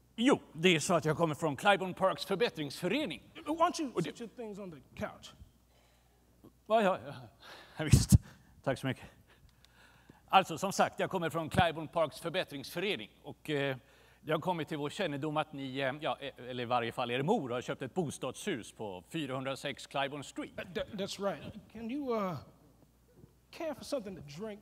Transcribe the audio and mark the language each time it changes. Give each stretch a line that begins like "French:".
Swedish: Jo, det är så att jag kommer från Claiborne Parks förbättringsförening.
English: Why don't you sit your things on the couch?
Swedish: Ja, visst. Tack så mycket. Alltså, som sagt, jag kommer från Claiborne Parks förbättringsförening. Och jag har kommit till vår kännedom att ni, ja, eller i varje fall er mor, har köpt ett bostadshus på 406 Claiborne Street.
English: That's right. Can you care for something to drink?